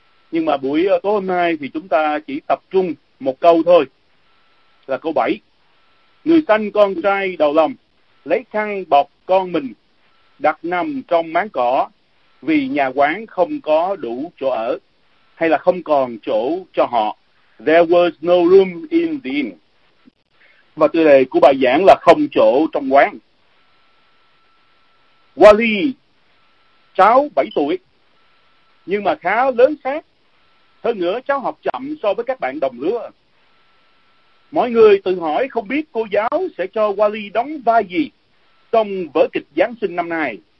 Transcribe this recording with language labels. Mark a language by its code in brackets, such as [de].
[vi] Nhưng mà buổi tối hôm nay thì chúng ta chỉ tập trung một câu thôi, là câu 7. Người sanh con trai đầu lòng lấy khăn bọc con mình đặt nằm trong máng cỏ vì nhà quán không có đủ chỗ ở, hay là không còn chỗ cho họ. [en] There was no room in the inn. [vi] Và tựa đề của bài giảng là không chỗ trong quán. Wally, cháu 7 tuổi, nhưng mà khá lớn khác. Hơn nữa cháu học chậm so với các bạn đồng lứa. Mọi người tự hỏi không biết cô giáo sẽ cho Wally đóng vai gì trong vở kịch Giáng sinh năm nay.